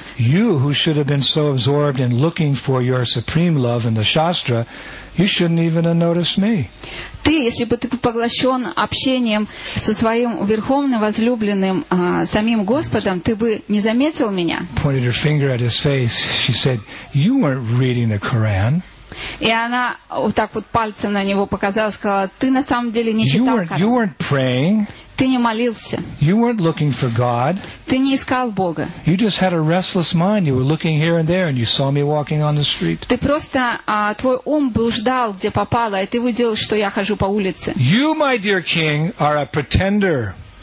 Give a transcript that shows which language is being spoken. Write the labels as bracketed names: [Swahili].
[English] "you, who should have been so absorbed in looking for your supreme love in the Shastra, you shouldn't even have noticed me." [Russian] Ты, если бы ты поглощен общением со своим верховным возлюбленным, самим Господом, ты бы не заметил меня. [English] Pointed her finger at his face. She said, "You weren't reading the Quran." [Russian] И она вот так вот пальцем на него показала, сказала, ты на самом деле не читал Коран. [English] You weren't praying. [Russian] Ты не молился. [English] You weren't looking for God. [Russian] Ты не искал Бога. [English] You just had a restless mind. You were looking here and there, and you saw me walking on the street. [Russian] Ты просто твой ум блуждал, где попало, и ты увидел, что я хожу по улице. [English] You, my dear king, are a pretender.